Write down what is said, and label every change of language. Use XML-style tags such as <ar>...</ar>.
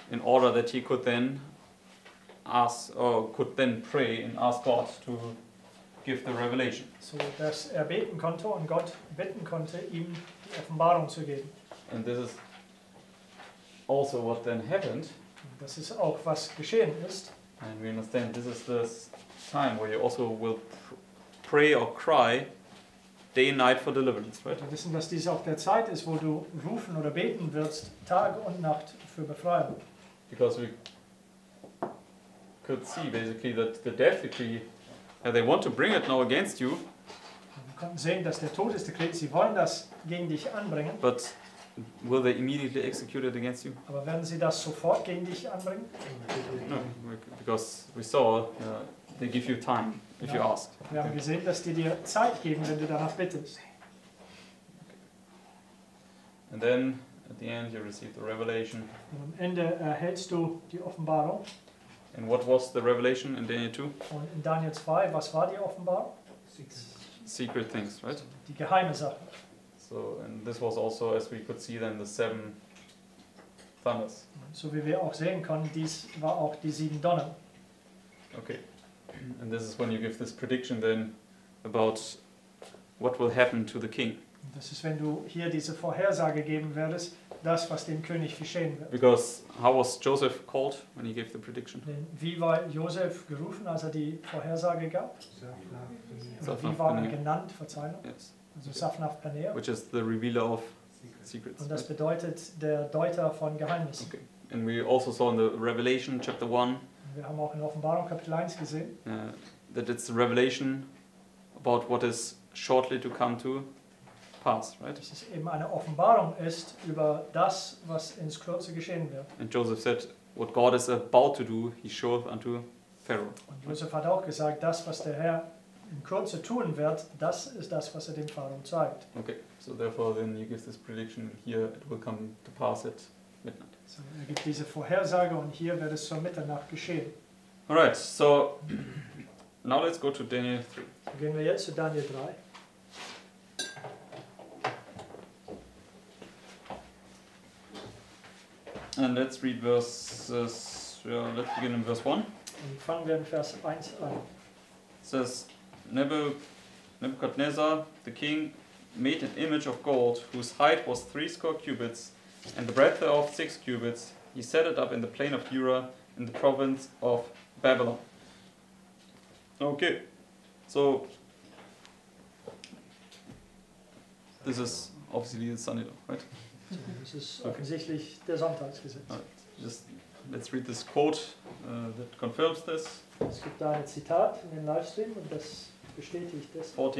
<en>In order that he could then ask, or could then pray and ask God to give the revelation.</en> <de>So dass er beten konnte und Gott bitten konnte, ihm die Offenbarung zu geben.</de> <en>And this is also what then happened.</en> <de>Das ist auch was geschehen ist.</de> <en>And we understand this is this time where you also will pray or cry day and night for deliverance, right?</en> <de>Wir wissen, dass dies auch der Zeit ist, wo du rufen oder beten wirst, Tag und Nacht für Befreiung.</de> <en>Because we could see basically that the death decree, and they want to bring it now against you.</en> <de>Wir konnten sehen, dass der Todesdekret, sie wollen das gegen dich anbringen.</de> <en>But will they immediately execute it against you?</en> <de>Aber werden sie das sofort gegen dich anbringen?</de> <en>No, because we saw they give you time if you ask.</en> <de>Wir haben gesehen, dass die dir Zeit geben, wenn du danach bittest.</de> <en>Okay. And then at the end you receive the revelation.</en> <de>Und am Ende erhältst du die Offenbarung.</de> <en>And what was the revelation in Daniel 2?</en> <de>Und in Daniel 2, was war die Offenbarung?</de> <en>Secret things, right?</en> <de>Die geheime Sache.</de> <en>So, and this was also, as we could see then, the 7 thunders.</en> <de>So wie wir auch sehen konnten, dies war auch die 7 Donner.</de> <en>Okay, and this is when you give this prediction then about what will happen to the king.</en> <de>Das ist, wenn du hier diese Vorhersage geben würdest, das, was dem König geschehen wird.</de> <en>Because how was Joseph called when he gave the prediction?</en> <de>Wie war Josef gerufen, als er die Vorhersage gab?</de> <en>Safnath-Paneah. Which is the revealer of secrets.</en> <de>Und das bedeutet der Deuter von Geheimnissen.</de> <en>Okay. And we also saw in the Revelation chapter 1.</en> <de>Wir haben auch in Offenbarung Kapitel 1 gesehen.</de> <en>That it's a revelation about what is shortly to come to pass, right?</en> <de>Dass es eben eine Offenbarung ist über das, was ins Kurze geschehen wird.</de> <en>And Joseph said, what God is about to do, he showeth unto Pharaoh.</en> <de>Und Joseph hat auch gesagt, das, was der Herr in Kürze tun wird, das ist das, was er dem Pharaoh zeigt.</de> <en>Okay, so therefore then he gives this prediction, here it will come to pass at midnight.</en> <de>So er gibt diese Vorhersage und hier wird es zur Mitternacht geschehen.</de> <en>Alright, so now let's go to Daniel 3. So</en> <de>gehen wir jetzt zu Daniel 3.</de> <en>And let's read let's begin in verse 1.</en> <de>Und fangen wir in Vers 1 an.</de> <en>It says, Nebuchadnezzar, the king, made an image of gold, whose height was 80 cubits, and the breadth thereof 6 cubits. He set it up in the plain of Dura, in the province of Babylon. Okay, so this is obviously the Sanhedrin, right? This is</en> <de>offensichtlich der Sonntagsgesetz.</de> <en>Just let's read this quote that confirms this.</en> <de>Es gibt da ein Zitat in dem Livestream und das bestätigt das.</de>